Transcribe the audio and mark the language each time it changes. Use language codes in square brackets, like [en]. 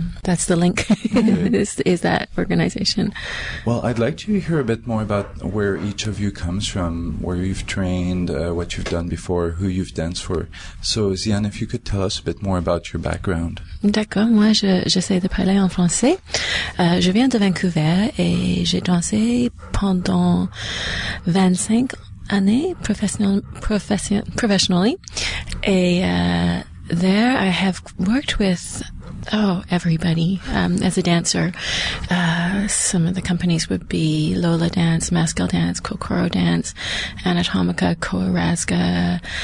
[en] That's the link, okay. is that organization. Well, I'd like to hear a bit more about where each of you comes from, where you've trained, what you've done before, who you've danced for. So, Zi Yan, if you could tell us a bit more about your background. [fr] D'accord, moi, j'essaie de parler en français. Je viens de Vancouver et j'ai dansé pendant 25 ans. [en] Professionally, and there I have worked with everybody as a dancer. Some of the companies would be Lola Dance, Maskell Dance, Kokoro Dance, Anatomica, Koarazga.